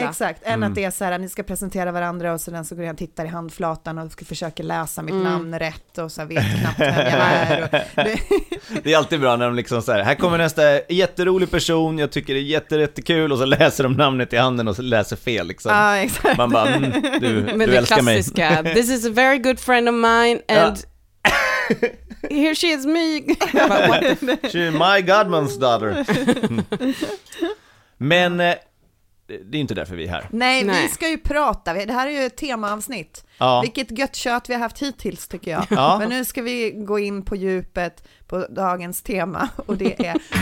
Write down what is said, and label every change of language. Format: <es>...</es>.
<sv>Exakt, än att det är så här, ni ska presentera varandra och sen så går jag och tittar i handflatan och försöker läsa mitt namn rätt och så här, vet knappt vem jag är. Det är alltid bra när de liksom så här kommer nästa jätterolig person, jag tycker det är jättekul, och så läser de namnet i handen och så läser fel liksom. Exakt. Man bara, du älskar mig.</sv> <en>This is a very good friend of mine and here she is, me. She is my godman's daughter.</en> <sv>Men det är inte därför vi är här. Nej, vi ska ju prata. Det här är ju ett temaavsnitt. Ja. Vilket gött kött vi har haft hittills, tycker jag. Ja. Men nu ska vi gå in på djupet på dagens tema, och det är</sv>